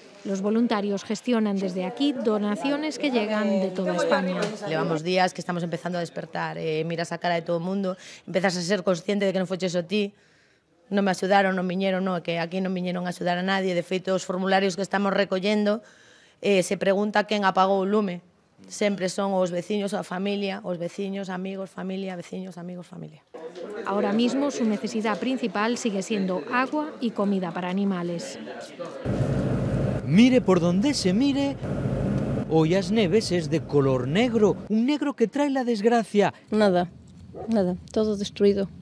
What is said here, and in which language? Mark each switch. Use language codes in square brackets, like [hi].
[es] Los voluntarios gestionan desde aquí donaciones que llegan de toda España. Llevamos días que estamos empezando a despertar, miras a cara de todo el mundo, empiezas a ser consciente de que no fue eso a ti. No me ayudaron, no vinieron, no, que aquí no vinieron a ayudar a nadie. [gl] De feito, os formularios que estamos recollendo, se pregunta quen apagou o lume. Sempre son os veciños, a familia, os veciños, amigos, familia, veciños, amigos, familia. [es] Ahora mismo, su necesidad principal sigue siendo agua y comida para animales. Mire por donde se mire, hoy As Neves es de color negro, un negro que trae la desgracia. Nada, nada, todo destruido.